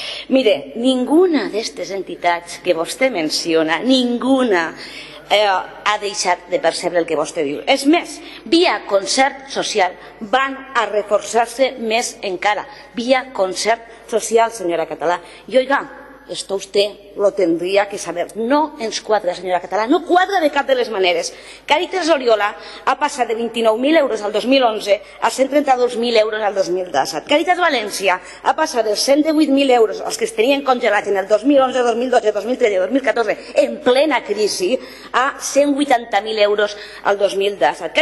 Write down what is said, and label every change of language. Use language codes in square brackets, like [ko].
[ca] Mire, ninguna d'aquestes entitats que vostè menciona, ninguna, ha deixat de percebre el que vostè diu. És més, via concert social van a reforçar-se més encara. Via concert social, senyora Català. [es] I oiga, esto usted lo tendría que saber. [ca] No ens quadra, senyora Català, no quadra de cap de les maneres. Càritas Oriola ha passat de 29.000 euros al 2011 a 132.000 euros al 2017. Càritas València ha passat de 108.000 euros als que es tenien congelats en el 2011, 2012, 2013 i 2014 en plena crisi a 180.000 euros al 2017.